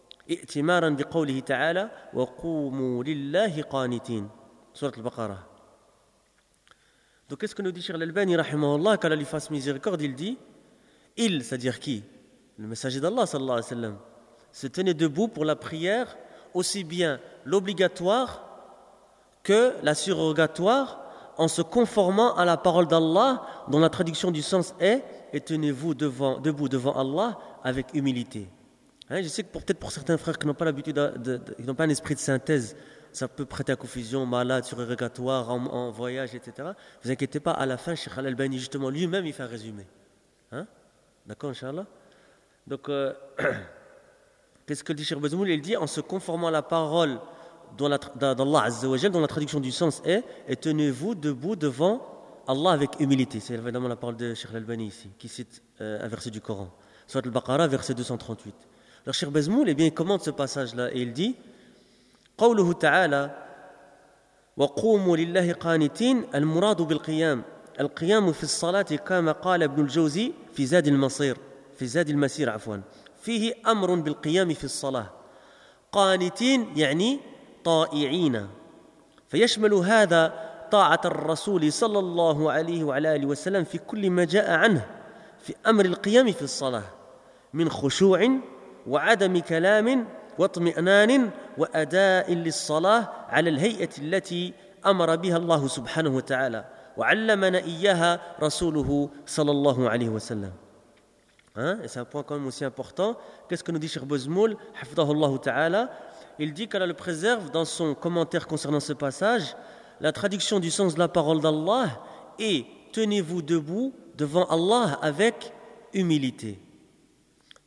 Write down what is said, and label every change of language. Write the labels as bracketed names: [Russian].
[Arabic] ائتمارا بقوله تعالى وقوموا لله قانتين سورة البقرة. [French] Donc qu'est-ce que nous dit Cheikh Al-Albani rahimahullah, qu'Allah lui fasse miséricorde, il dit il, c'est-à-dire qui? Le messager d'Allah sallallahu alayhi wa sallam se tenait debout pour la prière, aussi bien l'obligatoire que la surrogatoire, en se conformant à la parole d'Allah, dont la traduction du sens est « et tenez-vous devant, debout devant Allah avec humilité hein, ». Je sais que peut-être pour certains frères qui n'ont pas l'habitude, qui n'ont pas un esprit de synthèse, ça peut prêter à confusion, malade, surrogatoire, en voyage, etc. Vous inquiétez pas, à la fin, Cheikh Al-Albani, justement, lui-même, il fait un résumé. Hein? D'accord, Inch'Allah. Donc, qu'est-ce que dit Cheikh Bezmoul? Il dit « en se conformant à la parole d'Allah Azzawajal, dont la traduction du sens est « et tenez-vous debout devant Allah avec humilité ». C'est évidemment la parole de Cheikh Al-Albani ici, qui cite un verset du Coran. Surat al-Baqarah, verset 238. Alors Cheikh Bezmoul, eh bien, il commente ce passage-là et il dit [Arabic] « قوله تعالى وقوموا لله قانتين المراد بالقيام القيام في الصلاة كما قال ابن الجوزي في زاد المصير في زاد المسير عفوا فيه أمر بالقيام في الصلاة قانتين يعني طائعين فيشمل هذا طاعة الرسول صلى الله عليه وعلى آله وسلم في كل ما جاء عنه في أمر القيام في الصلاة من خشوع وعدم كلام واطمئنان وأداء للصلاة على الهيئة التي أمر بها الله سبحانه وتعالى وعلمنا إياها رسوله صلى الله عليه وسلم. [French] Hein? Et c'est un point quand même aussi important. Qu'est-ce que nous dit Cheikh Bezmoul, hafidhahullah ta'ala? Il dit qu'Allah le préserve dans son commentaire concernant ce passage, la traduction du sens de la parole d'Allah est « tenez-vous debout devant Allah avec humilité ».